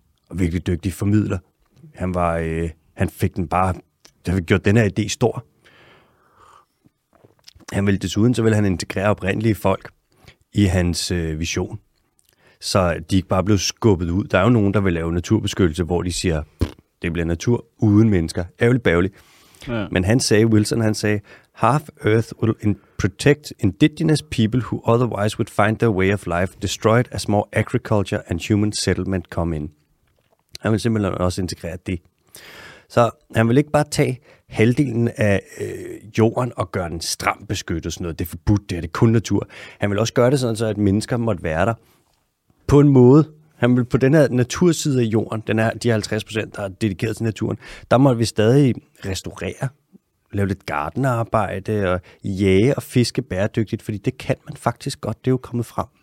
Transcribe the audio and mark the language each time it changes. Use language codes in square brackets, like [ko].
[da] Og virkelig dygtig formidler. Han var, han fik den bare, der fik gjort den her idé stor. Han ville desuden, så ville han integrere oprindelige folk i hans vision. Så de ikke bare blev skubbet ud. Der er jo nogen, der vil lave naturbeskyttelse, hvor de siger, det bliver natur uden mennesker. Ærgerligt bævligt. Men han sagde, Wilson, han sagde, [en] half earth will protect indigenous people who otherwise would find their way of life destroyed as more agriculture and human settlement come in. [da] Han vil simpelthen også integrere det. Så han vil ikke bare tage halvdelen af jorden og gøre den stramt beskyttet, sådan noget. Det er forbudt, det er det kun natur. Han vil også gøre det sådan, så at mennesker måtte være der på en måde. Han vil på den her naturside af jorden, den er de 50%, der er dedikeret til naturen, der måtte vi stadig restaurere, lave lidt gardenarbejde og jage og fiske bæredygtigt, fordi det kan man faktisk godt, det er jo kommet frem.